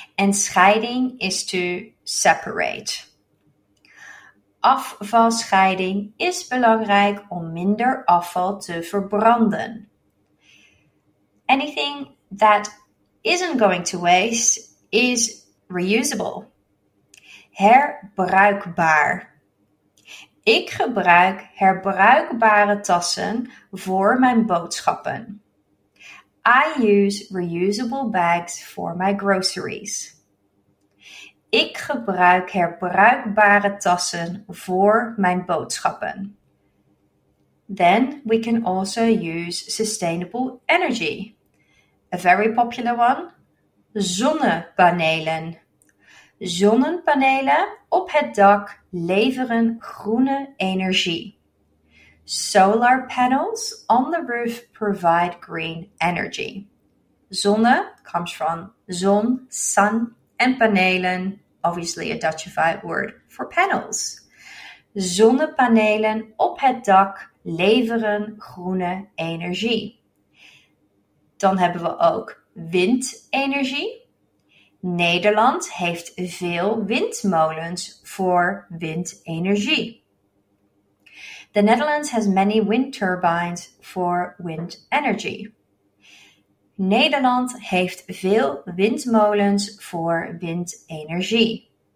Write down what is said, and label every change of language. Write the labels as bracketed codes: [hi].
[en] And scheiding is to separate. [nl] Afvalscheiding is belangrijk om minder afval te verbranden. [en] Anything that isn't going to waste is reusable. [nl] Herbruikbaar. Ik gebruik herbruikbare tassen voor mijn boodschappen. [en] I use reusable bags for my groceries. [nl] Ik gebruik herbruikbare tassen voor mijn boodschappen. [en] Then we can also use sustainable energy. A very popular one, zonnepanelen. [nl] Zonnepanelen op het dak leveren groene energie. [en] Solar panels on the roof provide green energy. Zonne comes from zon, sun, and panelen, obviously a Dutchified word for panels. [nl] Zonnepanelen op het dak leveren groene energie. Dan hebben we ook windenergie. Nederland heeft veel windmolens voor windenergie. [en] The Netherlands has many wind turbines for wind energy. [nl] Nederland heeft veel windmolens voor windenergie.